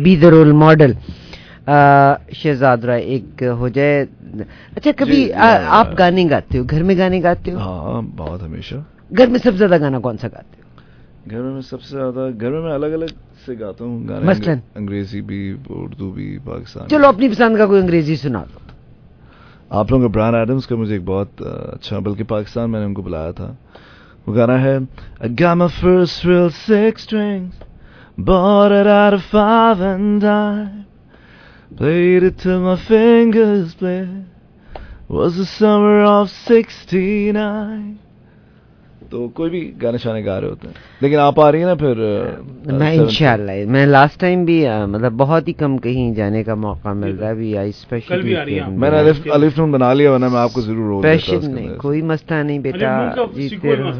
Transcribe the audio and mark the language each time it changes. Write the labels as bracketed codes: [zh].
[en] be the role model [ur] Shahzad رائے ایک ہو جائے. اچھا کبھی آپ گانے گاتے ہو گھر میں گانے گاتے ہو؟ ہاں بہت ہمیشہ. گھر میں سب سے زیادہ گانا کون سا گاتے ہو؟ گھر میں سب سے زیادہ گھر میں الگ الگ سے گاتا ہوں گانے مثلاً انگریزی بھی اردو بھی پاکستانی. چلو اپنی پسند کا کوئی انگریزی سنا دو. آپ لوگوں کا برائن ایڈمز کا مجھے ایک بہت اچھا, بلکہ پاکستان میں نے ان کو بلایا تھا, وہ گانا ہے [en] I got my first real six strings, bought it out of five and dime, played it till my fingers bled, was the summer of 69. [ur] تو کوئی بھی گانے شانے گا رہے ہوتے ہیں, لیکن آپ آ رہی ہیں نا پھر, میں انشاءاللہ, میں لاسٹ ٹائم بھی مطلب بہت ہی کم کہیں جانے کا موقع مل رہا ہے, میں نے الف نون بنا لیا ورنہ میں آپ کو ضرور کوئی مسئلہ نہیں بیٹا.